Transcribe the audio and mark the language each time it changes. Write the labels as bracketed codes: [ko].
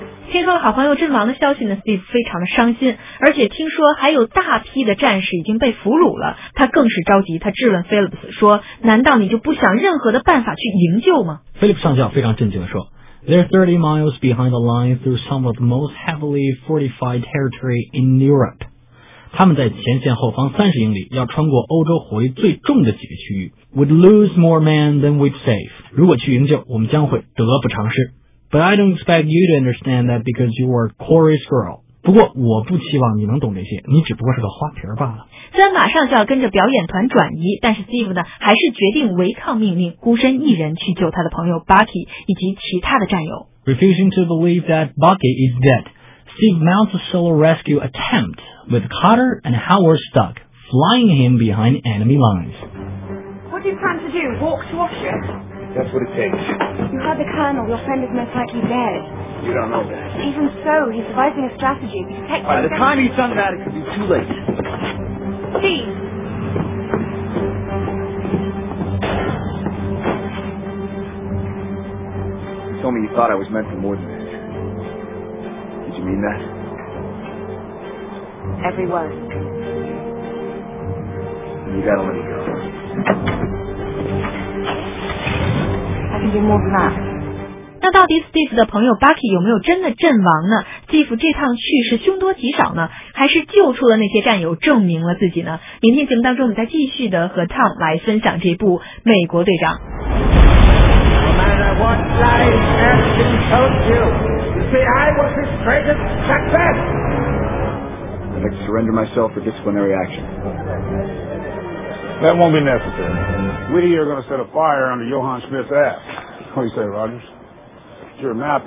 [zh] 听说好朋友阵亡的消息呢， Steve 非常的伤心，而且听说还有大批的战士已经被俘虏了，他更是着急，他质问 Phillips 说，难道你就不想任何的办法去营救吗？ Phillips 上校非常震惊地说， [en] They're 30 miles behind the line through some of the most heavily fortified territory in Europe. [zh] 他们在前线后方30英里要穿过欧洲火力最重的几个区域。 [en] We'd lose more men than we'd save. [zh] 如果去营救，我们将会得不偿失。 [en] But I don't expect you to understand that because you are Corey's girl. [zh] 不过我不期望你能懂这些，你只不过是个花瓶罢了。虽然马上就要跟着表演团转移，但是 Steve 呢还是决定违抗命令，孤身一人去救他的朋友 Bucky 以及其他的战友。 [en] Refusing to believe that Bucky is dead, Steve mounts a solo rescue attempt with Carter and Howard Stuck flying him behind enemy lines. What do you plan to do? Walk to Austria? That's what it takes. You heard the colonel. Your friend is most likely dead. You don't know that. Even so, he's devising a strategy to protect himself. By the time he's done that, it could be too late. Steve! You told me you thought I was meant for more than this. Did you mean that? Every word. And you gotta let me go. [zh] 那到底 Steve 的朋友 Bucky 有没有真的阵亡呢？ Steve 这趟去是凶多吉少呢，还是救出了那些战友证明了自己呢？明天节目当中我们再继续的和 Tom 来分享这部美国队长。 [en] No matter what life has been told you, you see I was his greatest success. I'd like to surrender myself for disciplinary action. That won't be necessary. We are going to set a fire under Johann Schmidt's ass. What do you say, Rogers? It's your map.